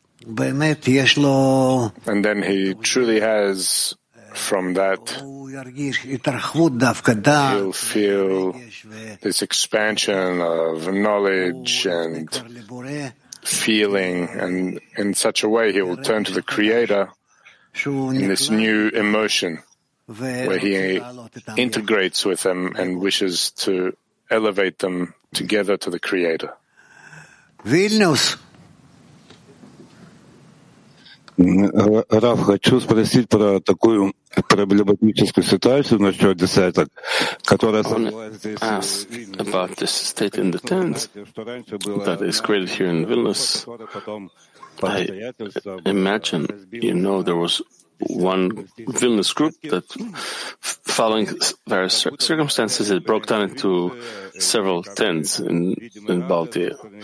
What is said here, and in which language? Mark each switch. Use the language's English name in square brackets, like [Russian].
[English] And then he truly has, from that, he'll feel this expansion of knowledge and feeling, and in such a way he will turn to the Creator in this new emotion where he integrates with them and wishes to elevate them together to the Creator. Vilnius. [Russian] Раф, хочу спросить про такую проблематическую ситуацию насчет десяток, которая создается [English] in the tens that is created here in Vilnius. I imagine, you know, there was one Vilnius group that, following various circumstances, it broke down into several tents in Baltia.